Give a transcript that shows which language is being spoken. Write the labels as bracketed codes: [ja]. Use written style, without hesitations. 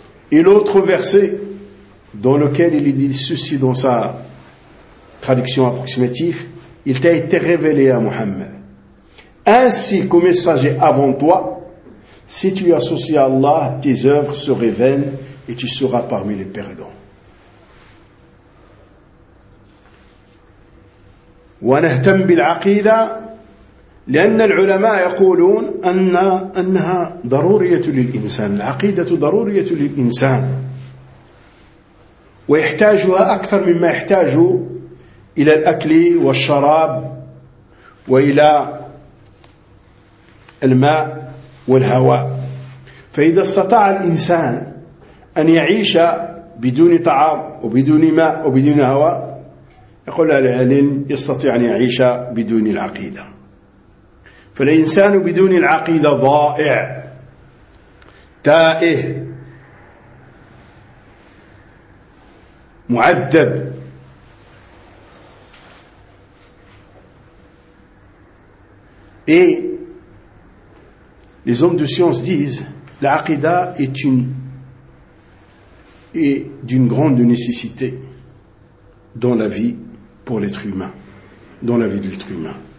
[fr] Et l'autre verset dans lequel il est dit ceci dans sa traduction approximative: il t'a été révélé à Muhammad, ainsi qu'au messager avant toi, si tu associes à Allah, tes œuvres seraient vaines et tu seras parmi les perdants. [ar] ونهتم بالعقيدة لأن العلماء يقولون أنها ضرورية للإنسان، العقيدة ضرورية للإنسان ويحتاجها أكثر مما يحتاج إلى الأكل والشراب وإلى الماء والهواء. فإذا استطاع الإنسان أن يعيش بدون طعام وبدون ماء وبدون هواء يقول العالم يستطيع أن يعيش بدون العقيدة. فالإنسان بدون العقيدة ضائع تائه معذب. [fr] Et les hommes de science disent العقيدة est d'une grande nécessité dans la vie pour l'être humain, dans la vie de l'être humain.